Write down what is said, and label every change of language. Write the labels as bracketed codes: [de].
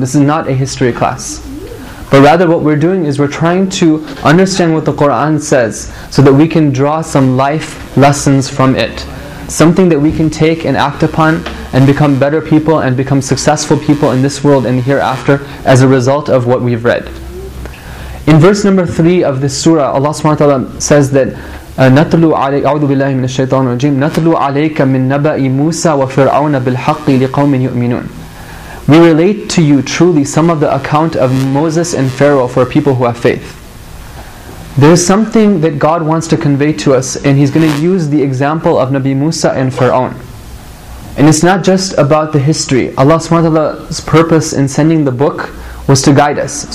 [en] This is not a history class. But rather what we're doing is we're trying to understand what the Quran says so that we can draw some life lessons from it. Something that we can take and act upon and become better people and become successful people in this world and hereafter as a result of what we've read. In verse number 3 of this surah, Allah subhanahu wa ta'ala says that [ar] نَتْلُوا عَلَيْكَ أَعُوذُ بِاللَّهِ مِنَ الشَّيْطَانِ الرَّجِيمِ نَتْلُوا عَلَيْكَ مِنْ نَبَأِ مُوسَى وَفِرْعَوْنَ بِالْحَقِّ لِقَوْمٍ يُؤْمِنُونَ. [en] We relate to you truly some of the account of Moses and Pharaoh for people who have faith. there's something that God wants to convey to us, and He's going to use the example of Nabi Musa and Fir'aun. And it's not just about the history. Allah subhanahu wa ta'ala's purpose in sending the book was to guide us.